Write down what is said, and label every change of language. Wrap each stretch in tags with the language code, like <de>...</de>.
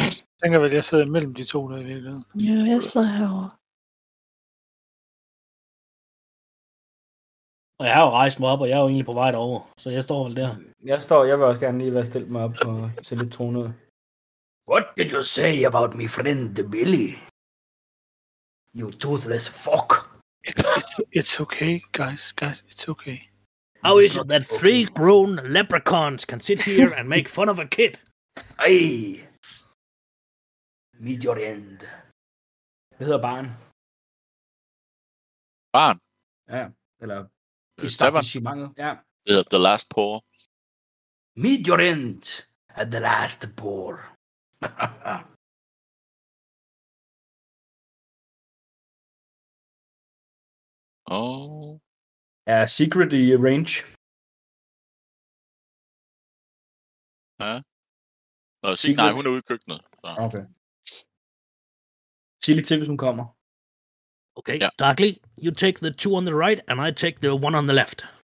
<da>Jeg tænker vel, jeg sidder imellem de to, der i virkeligheden. Ja, jeg sidder herovre. Og jeg har jo rejst mig op, og jeg er jo egentlig på vej derover, så jeg står vel der. Jeg vil også gerne lige være stillet mig op og se lidt tonet.</da> <en>What did you say about my friend Billy? You toothless fuck. It's okay, guys, it's okay. How is it that 3 grown leprechauns can sit here and make fun of a kid? Ej! Meet your end.</en> <da>Det hedder barn. Barn? Ja, eller... Establishmentet, ja. Det hedder The Last Pour.</da> <en>Meet your end at The Last Pour. Oh.</en> <da>Ja, secret i range. Ja. Nå, nej, hun er ude i køkkenet. Så. Okay. Sig lige til, hvis hun kommer. Okay, ja.</da> <en>Darkly, you take the 2 on the right, and I take the 1 on the left.</en>